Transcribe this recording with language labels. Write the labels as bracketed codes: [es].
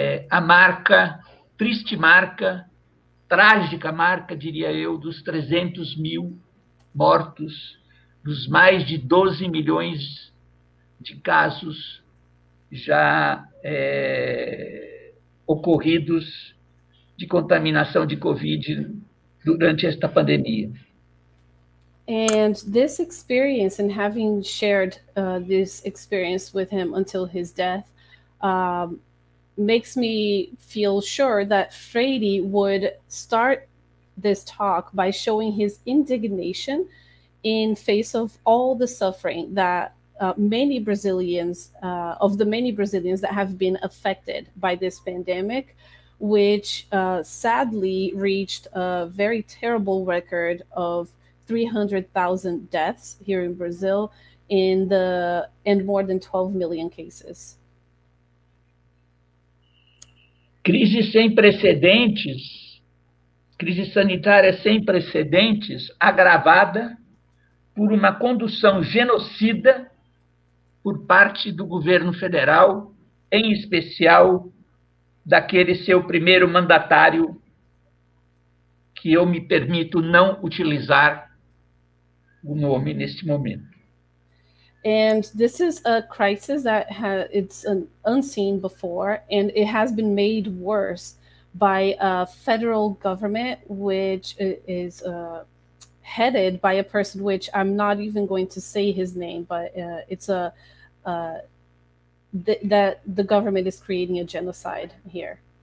[pt] a marca, triste marca, trágica marca, diria eu, dos 300 mil mortos, dos mais de 12 milhões de casos já ocorridos de contaminação de COVID durante esta pandemia. [en] And this experience, and having shared this experience with him until his death, makes me feel sure that Freire would start this talk by showing his indignation in face of all the suffering that many Brazilians, of the many Brazilians that have been affected by this pandemic, which sadly reached a very terrible record of 300,000 deaths here in Brazil and more than 12 million cases. [pt] Crise sem precedentes, crise sanitária sem precedentes, agravada por uma condução genocida por parte do governo federal, em especial daquele seu primeiro mandatário, que eu me permito não utilizar o nome neste momento. [en] And this is a crisis that it's unseen before, and it has been made worse by a federal government, which is headed by a person which I'm not even going to say his name, but it's that the government is creating a genocide here.